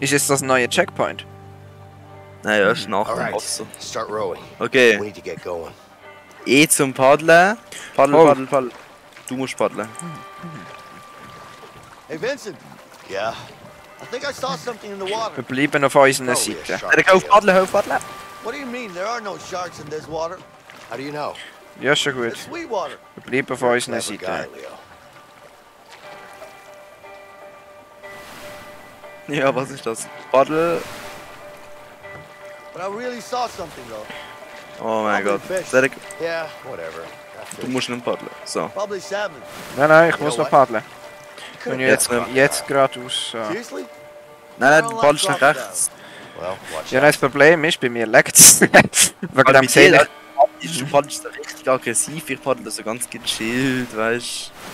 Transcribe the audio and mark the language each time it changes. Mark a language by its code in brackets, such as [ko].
[de] Ist jetzt das neue Checkpoint? Naja, das ist nach dem Wasser. Okay. [en] We need to get going. [de] Eh zum Paddeln. Paddeln. Du musst paddeln. Hey, Vincent. Ja? [en] Yeah. I think I saw something in the water. [de] Wir bleiben auf unserer Seite. Hör auf paddeln, hör auf paddeln. [en] What do you mean? There are no sharks in this water. How do you know? [de] Ja, schon gut. [en] It's sweet water. [de] Wir bleiben auf unserer Seite. Ja, was ist das? Paddel. [en] But I really saw something though. [de] Oh mein Gott. Sehr gut. Ja, whatever. Du musst nicht paddeln. So. Nein, nein, ich muss noch paddeln. Wenn ich jetzt geradeaus. Nein, nein, du paddelst nach rechts. Ja, das Problem ist, bei mir leckt es. Wegen dem Zähler. Du paddelst da richtig aggressiv, ich paddel so ganz gechillt, weißt du.